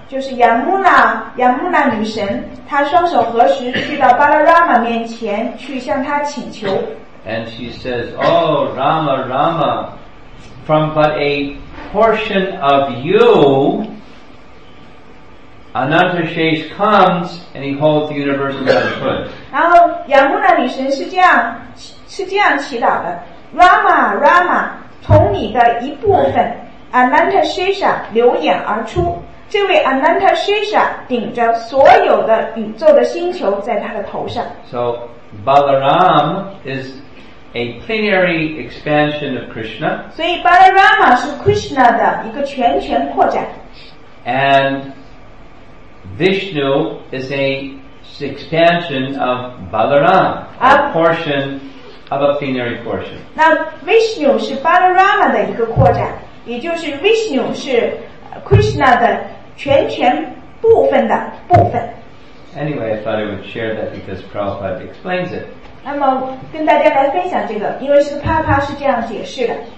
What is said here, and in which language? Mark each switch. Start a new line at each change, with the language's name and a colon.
Chinese: 就是雅穆娜女神，她双手合十，去到巴拉拉玛面前去向她请求。
English: And she says, "Oh, Rama, Rama, from but a portion of you, Anantashesh comes and he holds the universe under his foot.
Chinese: 然后亚穆那女神是这样祈祷的 ，Rama Rama， 从你的一部分 Anantashesha 流眼而出。这位 Anantashesha 顶着所有的宇宙的星球在他的头上。
English: So Balaram is a plenary expansion of Krishna.
Chinese: 所以 Balarama 是 Krishna 的一个全权扩展。
English: And Vishnu is a expansion of Balaram, a portion of a plenary portion.
Chinese: 那 Vishnu 是 Balarama 的一个扩展，也就是 Vishnu 是 Krishna 的全权部分的部分。
English: Anyway, I thought I would share that because Prabhupada explains it.
Chinese: 那么跟大家来分享这个，因为是帕帕是这样解释的。